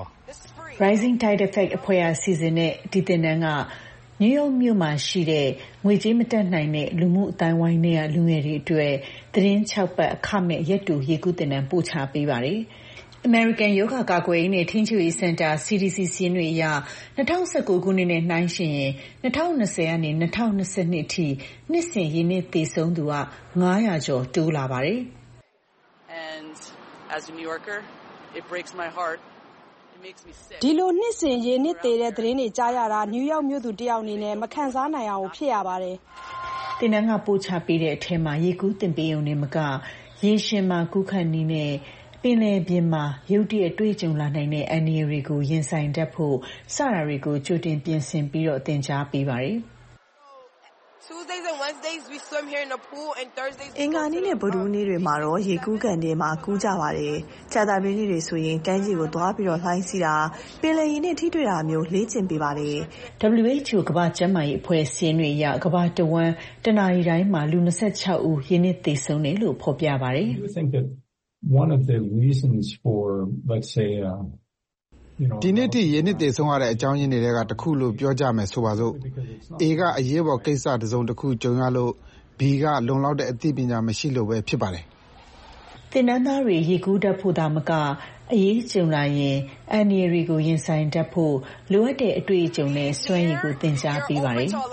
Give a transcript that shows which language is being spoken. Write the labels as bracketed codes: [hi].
[my] Rising Tide Effect အဖွဲ့ရစီစဉ်တဲ့ဒီတန်းန်းကနယူးယောက်မြို့မှာရှိတဲ့ငွေကြေးမတက်နိုင်တဲ့လူမှုအတိုင်းဝိုင်းတွေကလူငယ်တွေအတွက်တရင်၆ပတ်အခမဲ့ရက်တူရေကူးတင်တန်းပို့ချပေးပါတယ်American Yoga ကာကွယ်ရေးနဲ့ထိန်းချုပ်ရေးစင်တာ CDC စီးနွေအရ2019ခုနှစ်နဲ့နှိုင်းယှဉ်ရင်2020ကနေ2022အထိနှစ်စဉ်ရေနစ်တည်ဆုံးသူက900ကျော်တိုးလာပါတယ် [en] And as a New Yorker it breaks my heart it makes me sick [my] ဒီလိုနှစ်စဉ်ရေနစ်တည်တဲ့သတင်းတွေကြားရတာနယူးယောက်မြို့သူတယောက်အနေနဲ့မခံစားနိုင်အောင်ဖြစ်ရပါတယ်တင်းနှံကပို့ချပေးတဲ့အထက်မှာရေကူးတင်ပေးရုံနဲ့မကရေရှင်မှာကူးခတ်နေတဲ့ပင်လယ်ပြင်မှာရုတ်တရက်တွေ့ကြုံလာနိုင်တဲ့အန္တရာယ်တွေကိုရင်ဆိုင်တတ်ဖို့စာရာတွေကိုကြိုတင်ပြင်ဆင်ပြီးတော့သင်ကြားပေးပါတယ် [en] Tuesdays and Wednesdays we swim here in the pool and Thursdays [my] အင်္ဂါနေ့နဲ့ဗုဒ္ဓနေ့တွေမှာတော့ရေကူးကန်တွေမှာကူးကြပါတယ်ခြေတံပင်းတွေဆိုရင်တန်းကြီးကိုသွားပြီးတော့လှိုင်းစီတာပင်လယ်ရင်နဲ့ထိတွေ့တာမျိုးလေ့ကျင့်ပေးပါတယ် WHO ကမ္ဘာ့ကျန်းမာရေးအဖွဲ့အစည်းအဝေးအရကမ္ဘာတဝန်းတနာရီတိုင်းမှာလူ26ဦးရေနစ်သေဆုံးတယ်လို့ဖော်ပြပါတယ် [en] One of the reasons for, let's say, [my] ဒီနေ့ထိရင်းနှီးသေးဆုံးရတဲ့အကြောင်းရင်းတွေကတခုလို့ပြောကြမယ်ဆိုပါစို့ A ကအရေးပေါ်ကိစ္စတစ်စုံတစ်ခုကြုံရလို့ B ကလုံလောက်တဲ့အသိပညာမရှိလို့ပဲဖြစ်ပါတယ်သင်တန်းသားတွေရေကူးတတ်ဖို့သာမကအရေးကြုံလာရင်အန်နီရီကိုရင်ဆိုင်တတ်ဖို့လိုအပ်တဲ့အတွေ့အကြုံနဲ့စွမ်းရည်ကိုသင်ကြားပေးပါတယ်